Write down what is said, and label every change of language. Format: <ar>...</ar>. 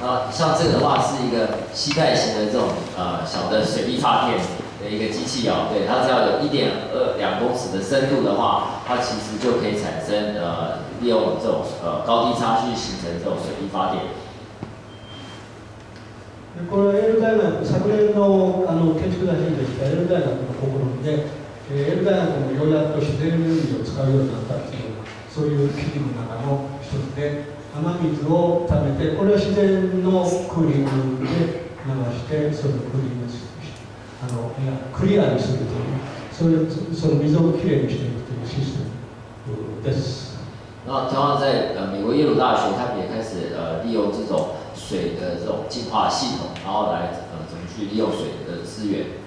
<zh>像这个的话是一个膝盖型的这种小的水力发电的一个机器哦，对，它只要有1.2公尺的深度的话，它其实就可以产生利用这种高低差去形成这种水力发电。</zh> <ja>これはエル大学昨年の建築大臣でしたエル大学の試みで、エル大学もようやく自然エネルギーを使うようになったっていう、そういう企業の中の一つで、雨水を貯めてこれは自然のクーリングで流してそのクーリングする。クリアにするという、その溝をきれいにしていくというシステムです。</ja> <zh>那同样在美国耶鲁大学，他们也开始利用这种水的这种净化系统，然后来怎么去利用水的资源。</zh>